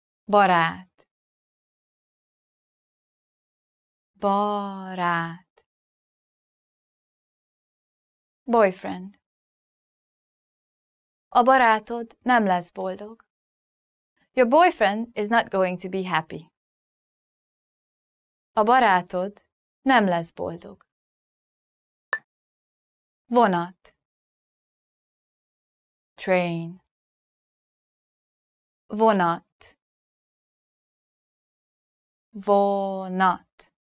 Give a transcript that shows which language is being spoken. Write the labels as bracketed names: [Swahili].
[Hungarian] Barát. Barát. [English] Boyfriend. [Hungarian] A barátod nem lesz boldog. [English] Your boyfriend is not going to be happy. [Hungarian] A barátod nem lesz boldog. Vonat. [English] Train. [Hungarian] Vonat. Vonat.